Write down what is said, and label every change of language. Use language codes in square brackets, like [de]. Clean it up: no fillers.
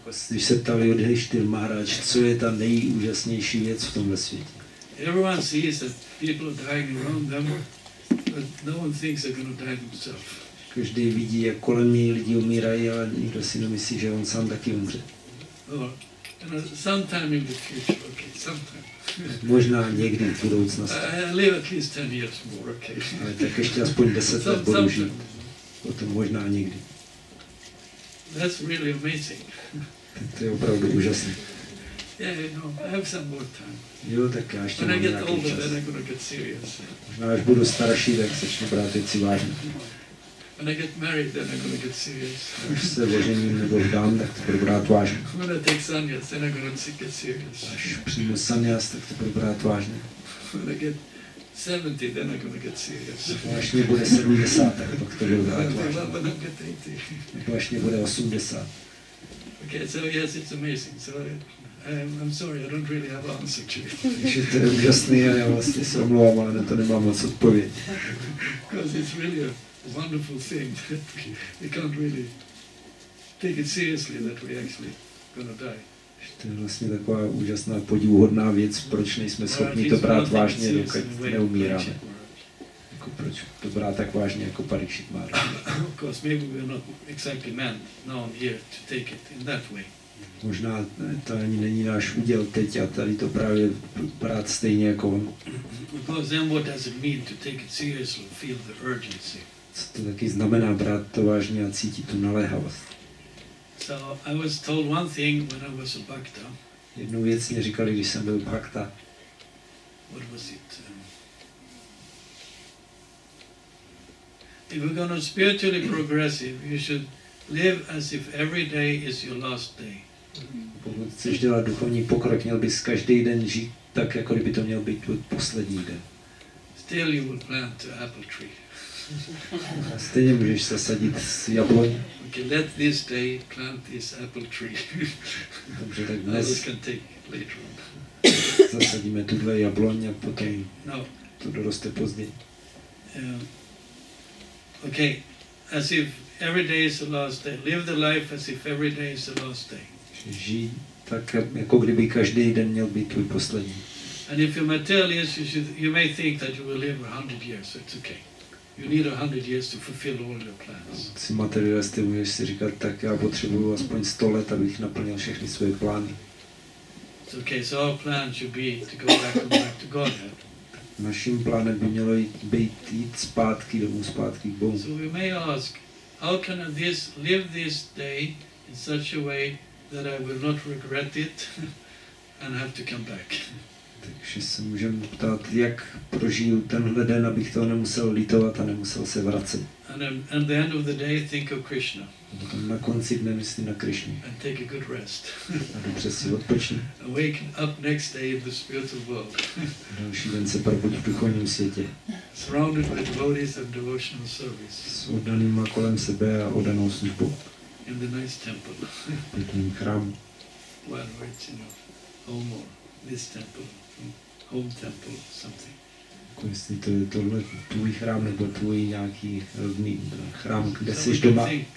[cs] Když se ptali Yudhisthira Maharaj, co je ta nejúžasnější věc v tomhle světě? [en] Everyone sees that people are dying around them, but no one thinks they're going to die themselves. [cs] Každý vidí, jak kolem něj lidi umírají, ale nikdo si nemyslí, že on sám taky umře. [en] Sometime in the future, okay, sometime. [cs] Možná někdy v budoucnosti. [en] I live at least 10 years more, okay. [cs] Ale tak ještě aspoň 10 let budu žít. Potom možná někdy. [en] That's really amazing. [cs] To je opravdu úžasné. [en] Yeah, you know, I have some more time. [cs] Jo, tak já ještě [en] when [cs] mám [en] I get [cs] nějaký [en] older, [cs] čas. [en] Then I'm gonna get serious. [cs] Možná až budu starší, tak začnu brát věci vážně. [en] When I get married, then I'm gonna get serious. [cs] Až se ožením nebo vdám, tak to budu brát vážně. [en] When I take sannyas, then I'm gonna get serious. [cs] Až přijmu sannyas, tak to budu brát vážně. [en] When I get 70, then I'm gonna get serious. [cs] Až mě bude 70, tak pak to budu brát vážně. [en] When I get 80. [cs] Nebo až mě bude 80. [en] Okay, so yes, it's amazing. So, I'm sorry, I don't really have an answer to it. [cs] Takže to je úžasný, já vlastně se omlouvám, ale na to nemám moc odpověď. [en] Because it's really a wonderful thing that we can't really take it seriously that we actually gonna die. [cs] To je vlastně taková úžasná, podivuhodná věc, proč nejsme schopni to brát vážně, dokud neumíráme. Jako proč to brát tak vážně jako Parikshit Maharaj. [en] Of course, maybe we're not exactly meant now here to take it in that way. [cs] Možná to ani není náš úděl teď a tady to právě brát stejně jako on. [en] Because then what does it mean to take it seriously, feel the urgency? [cs] Co to taky znamená brát to vážně a cítit tu naléhavost? [en] So I was told one thing when I was a bhakta. [cs] Jednu věc mě říkali, když jsem byl bhakta. [en] What was it? If you're gonna spiritually progressive, you should live as if every day is your last day. [cs] Pokud chceš dělat duchovní pokrok, měl bys každý den žít tak, jako kdyby to měl být poslední den. [en] Still you would plant an apple tree. [cs] A stejně můžeš zasadit jabloň. [en] Okay, let this day plant this apple tree. [cs] Dobře, tak dnes [en] can take later on. [cs] Zasadíme tuhle jabloň a potom no. To doroste později. [en] Okay, as if every day is the last day. Live the life as if every day is the last day. [cs] Žij tak, jako kdyby každý den měl být tvůj poslední. [en] And if you're materialist, you may think that you will live 100 years, so it's okay. You need 100 years to fulfill all your plans. [cs] Když jsi materialist, můžeš si říkat, tak já potřebuji aspoň 100 let, abych naplnil všechny svoje plány. [en] It's okay, so our plan should be to go back and back to Godhead. [cs] Naším plánem by mělo jít zpátky domů, zpátky k Bohu. [en] So you may ask, how can I live this day in such a way that I will not regret it and have to come back. [cs] Takže se můžeme ptát, jak prožiju tenhle den, abych toho nemusel litovat a nemusel se vracet. [en] And the end of the day, think of Krishna. [cs] Na konci dne myslím na Krishnu. [en] And take a good rest. [cs] A dobře si odpočni. [en] Awaken up next day in the spiritual world. [cs] Další den se probuď v duchovním světě. [en] Surrounded by devotees and devotional service. [cs] S oddanýma kolem sebe a oddanou službu. [en] In the nice temple. [cs] Pěkný chrám. [en] Well, it's enough. Home or this temple. Home temple, something. [cs] Jako jestli to je tohle tvůj chrám nebo tvůj nějaký rodný chrám, kde jsi doma.